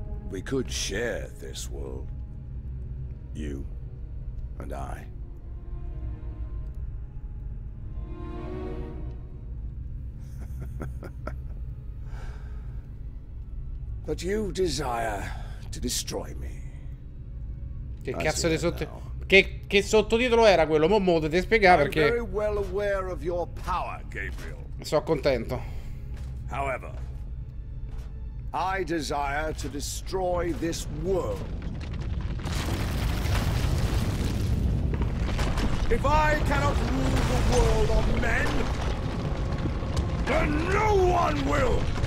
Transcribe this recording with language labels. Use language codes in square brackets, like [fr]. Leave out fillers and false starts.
[en] We could share this world. You and I. But you desire to destroy me. [it] Che cazzo di sotto... Che sottotitolo era quello? Mo' modo di spiegare perché... [en] I'm very well aware of your power, Gabriel. [it] Sono contento. [en] However, I desire to destroy this world. If I cannot rule the world of men, then no one will!